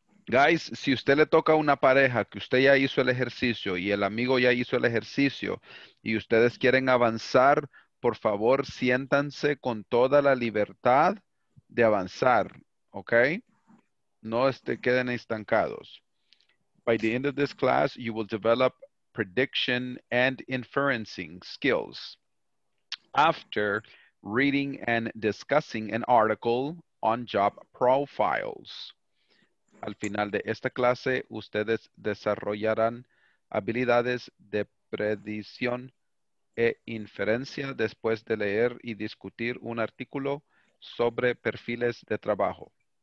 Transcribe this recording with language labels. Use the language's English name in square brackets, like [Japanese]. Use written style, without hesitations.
[Spanish] Guys, si usted le toca a una pareja que usted ya hizo el ejercicio y el amigo ya hizo el ejercicio y ustedes quieren avanzar, por favor, siéntanse con toda la libertad de avanzar, ¿ok? No queden estancados. [English] By the end of this class, you will develop prediction and inferencing skills. After reading and discussing an article on job profiles. [Spanish] Al final de esta clase, ustedes desarrollarán habilidades de predicción e inferencia después de leer y discutir un artículo sobre perfiles de trabajo.